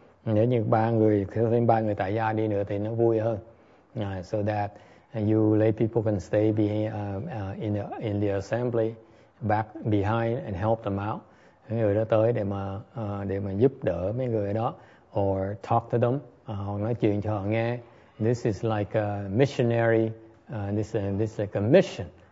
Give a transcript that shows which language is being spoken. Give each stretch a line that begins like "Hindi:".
Vietnamese: Nếu như ba người tại gia đi nữa thì nó vui hơn.
English: So that you lay people can stay in the assembly back behind and help them out.
Vietnamese: Những người đó tới để mà giúp đỡ mấy người đó,
English: or talk to them,
Vietnamese: hoặc nói chuyện cho họ nghe.
English: This is like a missionary. This is like a mission.